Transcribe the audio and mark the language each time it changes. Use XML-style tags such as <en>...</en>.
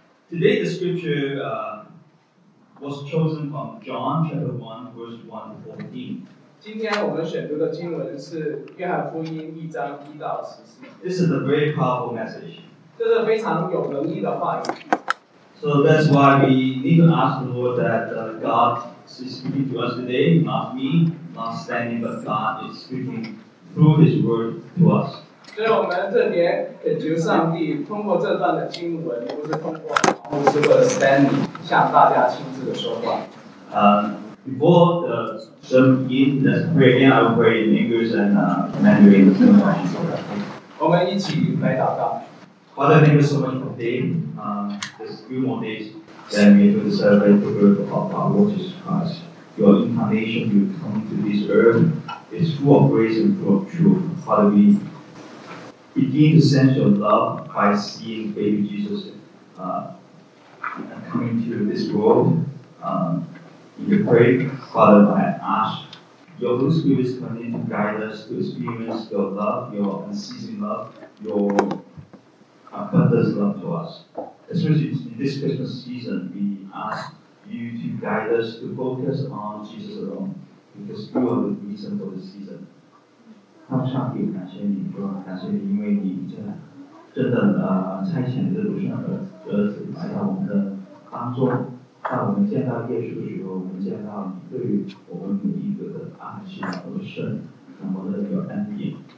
<en>Today the scripture was chosen from John chapter 1 verse 1 to 14.</en> <zh>今天我们选读的经文是约翰福音一章一到十四。</zh> <en>This is a very powerful message.</en> <zh>这是非常有能力的话语。</zh> <en>So that's why we need to ask the Lord that God is speaking to us today, not me, not standing, but God is speaking through His word to us.</en> <zh>所以我们这边恳求上帝通过这段的经文，不是通过牧师或者 Stanley 向大家亲自的说话。</zh> <en>Before the sermon begins, let's pray. I will pray in English and Mandarin.</en> <zh>我们一起来祷告。</zh> <en>Father, thank you so much for today. There's a few more days that we will celebrate the birth of our Lord Jesus Christ. Your incarnation will come to this earth. It's full of grace and full of truth. Father, we begin to sense your love by seeing baby Jesus coming to this world. In your prayer, Father, I ask your Holy Spirit to continue to guide us to experience your love, your unceasing love, your abundant love to us. Especially in this Christmas season, we ask you to guide us to focus on Jesus alone, because you are the reason for the season.</en> <zh>感谢上帝，感谢你，是吧？感谢你，因为你真的差遣的独生儿子来到我们的当中。当我们见到耶稣的时候，我们见到你对于我们每一个的爱是那么的深，那么的有恩典。</zh>